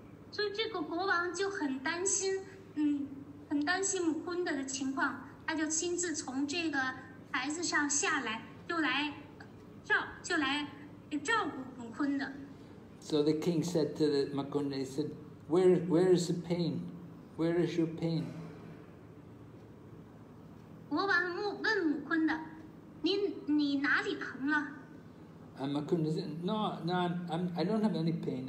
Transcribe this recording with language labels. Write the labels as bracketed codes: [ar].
[en] So the king said to the Mukunda, he said, Where is the pain? Where is your pain? [zh] 国王问穆昆达，你哪里疼了？ [en] And Mukunda said, No, I don't have any pain.